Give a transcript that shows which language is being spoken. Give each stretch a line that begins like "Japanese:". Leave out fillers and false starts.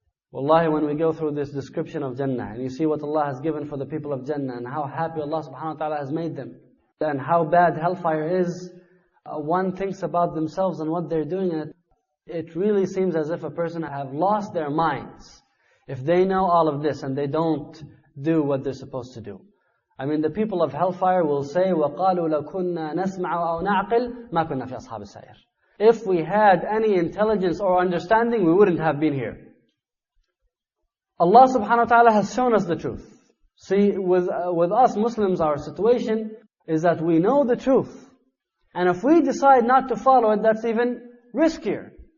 English: Wallahi, when we go through this description of Jannah, and you see what Allah has given for the people of Jannah, and how happy Allah subhanahu wa ta'ala has made them, and how bad hellfire is, one thinks about themselves and what they're doing, and it really seems as if a person have lost their minds if they know all of this and they don't do what they're supposed to do. I mean, the people of hellfire will say,
Arabic: وَقَالُوا لَكُنَّا نَسْمَعُ أَوْ نَعْقِلْ مَا كُنَّا فِي أَصْحَابِ السَّعِيرِ.
English: If we had any intelligence or understanding, we wouldn't have been here. Allah subhanahu wa ta'ala has shown us the truth. See, with us Muslims, our situation is that we know the truth. And if we decide not to follow it, that's even riskier.